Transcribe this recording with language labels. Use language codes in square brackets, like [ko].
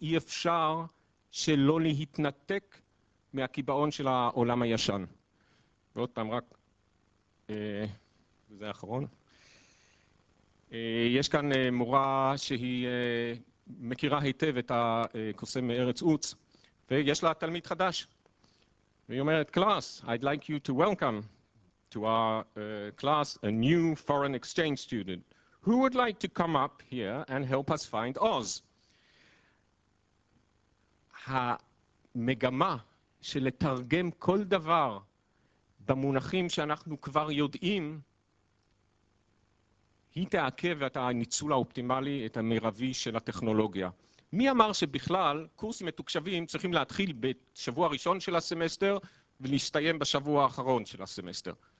[he] אי אפשר שלא להתנתק מהקיבעון של העולם הישן. ועוד פעם רק, וזה האחרון. יש כאן מורה שהיא מכירה היטב את הקוסם מארץ עוץ, ויש לה תלמיד חדש. והיא אומרת, [en] class, I'd like you to welcome to our class a new foreign exchange student. Who would like to come up here and help us find Oz? [he] המגמה של לתרגם כל דבר במונחים שאנחנו כבר יודעים, היא תעכב את הניצול האופטימלי, את המרבי של הטכנולוגיה. מי אמר שבכלל קורסים מתוקשבים צריכים להתחיל בשבוע הראשון של הסמסטר ולהסתיים בשבוע האחרון של הסמסטר?